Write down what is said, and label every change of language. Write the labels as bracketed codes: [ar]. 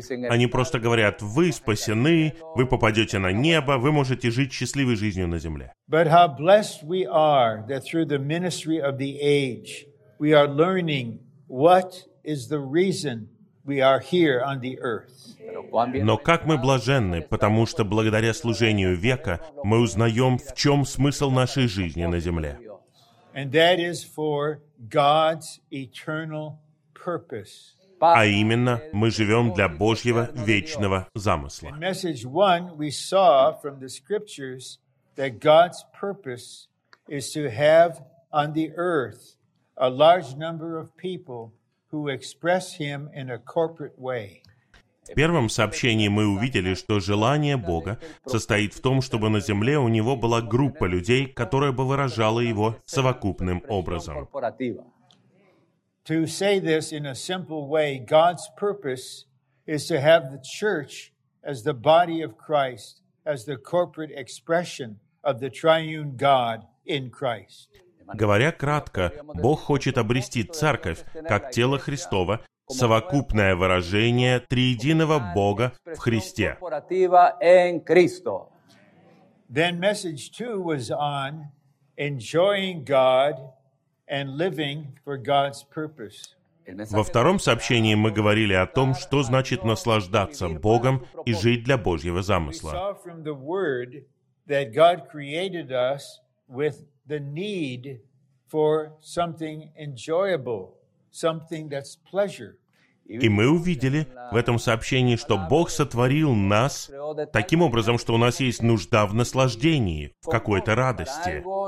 [ru] Они просто говорят, вы спасены, вы попадете на небо, вы можете жить счастливой жизнью на земле. [en] But how blessed we are that through the ministry of the age, we are learning what is the reason we are here on the earth. [ru] Но как мы блаженны, потому что благодаря служению века мы узнаем, в чем смысл нашей жизни на земле. [en] And that is for God's eternal purpose. [ru] А именно, мы живем для Божьего вечного замысла. [en] In message one, we saw from the scriptures that God's purpose is to have on the earth a large number of people who express Him in a corporate way. [ru] В первом сообщении мы увидели, что желание Бога состоит в том, чтобы на земле у Него была группа людей, которая бы выражала Его совокупным образом. [en] To say this in a simple way, God's purpose is to have the church as the body of Christ, as the corporate expression of the triune God in Christ. [ru] Говоря кратко, Бог хочет обрести церковь как тело Христово, совокупное выражение триединого Бога в Христе. [en] Then message two was on enjoying God and living for God's purpose. [ru] Во втором сообщении мы говорили о том, что значит наслаждаться Богом и жить для Божьего замысла. [en] We saw from the word that God created us with the need for something enjoyable, something that's pleasure. [ru] И мы увидели в этом сообщении, что Бог сотворил нас таким образом, что у нас есть нужда в наслаждении, в какой-то радости.